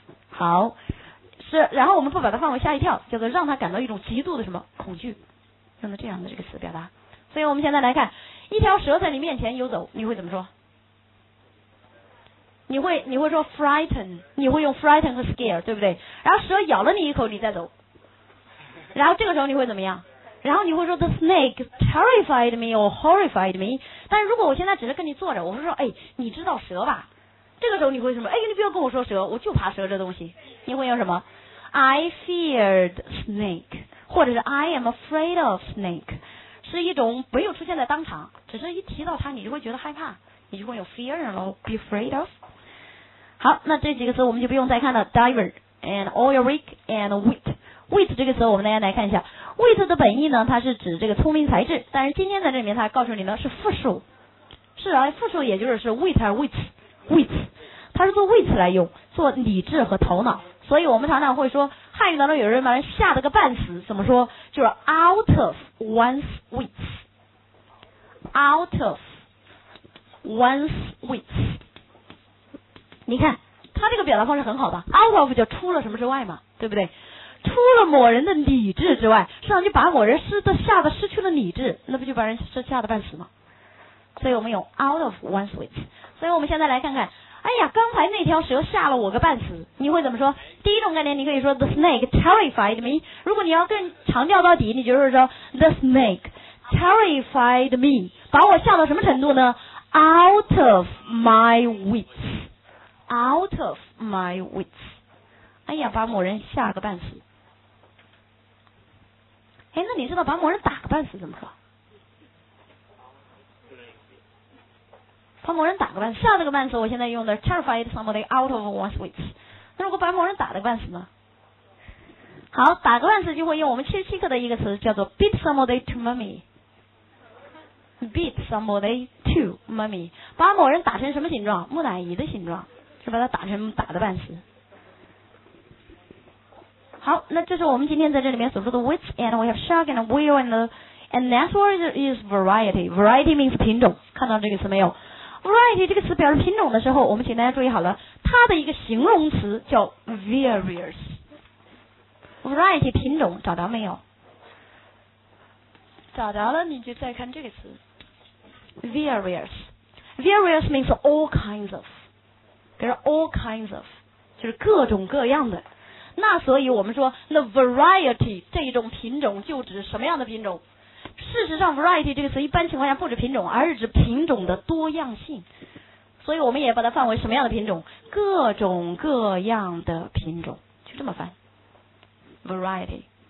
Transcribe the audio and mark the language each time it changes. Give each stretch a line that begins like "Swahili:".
Chinese: 好，是，然后我们不把它放为吓一跳，叫做让他感到一种极度的什么恐惧，用的这样的这个词表达。所以我们现在来看，一条蛇在你面前游走，你会怎么说？你会说 frighten， 你会用 frighten 和 scare， 对不对？然后蛇咬了你一口，你再走，然后这个时候你会怎么样？然后你会说
English: the snake terrified me or horrified me。
Chinese: 但是如果我现在只是跟你坐着，我说哎，你知道蛇吧？这个时候你会什么？哎，你不要跟我说蛇，我就怕蛇这东西。你会用什么？
English: I feared snake，
Chinese: 或者是
English: I am afraid of snake，
Chinese: 是一种没有出现在当场，只是一提到它你就会觉得害怕，你就会有 fear 咯，
English: be afraid of。
Chinese: 好，那这几个词我们就不用再看了。
English: diver and oil rig and wit。
Chinese: wit 这个词我们大家来看一下， wit 的本意呢，它是指这个聪明才智，但是今天在这里面它告诉你呢是复数，是啊，复数也就是 wit 还是 wits， 它是做 wits 来用，做理智和头脑。所以我们常常会说汉语当中有人把人吓得个半死，怎么说？就是
English: out of one's wits， out of one's wits。
Chinese: 你看他这个表达方式很好的， out of 就出了什么之外嘛，对不对？出了某人的理智之外，实际上就把某人吓得失去了理智，那不就把人吓得半死吗？所以我们用
English: out of one's wits。
Chinese: 所以我们现在来看看，哎呀，刚才那条蛇吓了我个半死，你会怎么说？第一种概念你可以说
English: the snake terrified me，
Chinese: 如果你要更强调到底，你就是说 the snake terrified me， 把我吓到什么程度呢？
English: out of my wits， out of my wits，
Chinese: 哎呀，把某人吓个半死。哎，那你知道把某人打个半死怎么说？帮某人打个半死，下那个半死我现在用的
English: terrified somebody out of one's wits。
Chinese: 那如果把某人打了个半死呢？好，打个半死就会用我们七十七课的一个词，叫做
English: beat somebody to mummy。 beat somebody to mummy，
Chinese: 把某人打成什么形状？木乃伊的形状，是把他打成打的半死。好，那这是我们今天在这里面所说的
English: wits， and we have shark and wheel and the next word is variety。 variety means
Chinese: 品种，看到这个词没有？Variety 这个词表示品种的时候，我们请大家注意好了，它的一个形容词叫 various。 Variety 品种找着没有？找着了你就再看这个词 various。
English: Various means all kinds of，
Chinese: 比如
English: all kinds of
Chinese: 就是各种各样的。那所以我们说那 variety 这一种品种就指什么样的品种？事实上 variety 这个词一般情况下不指品种，而是指品种的多样性。所以我们也把它范为什么样的品种？各种各样的品种，就这么翻 variety。